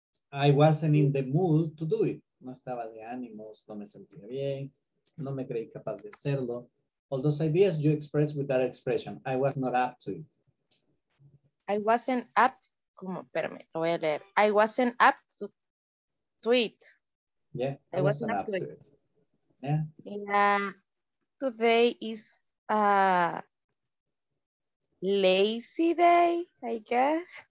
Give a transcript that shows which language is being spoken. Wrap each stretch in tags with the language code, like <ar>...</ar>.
<en>I wasn't in the mood to do it.</en> <es>No estaba de ánimos, no me sentía bien, no me creí capaz de hacerlo.</es> <en>All those ideas you expressed with that expression, I was not up to it. I wasn't up,</en> <es>como, espérame, lo voy a leer.</es> <en>I wasn't up to it. Yeah, I wasn't up to it. Yeah. Today is a lazy day, I guess.</en>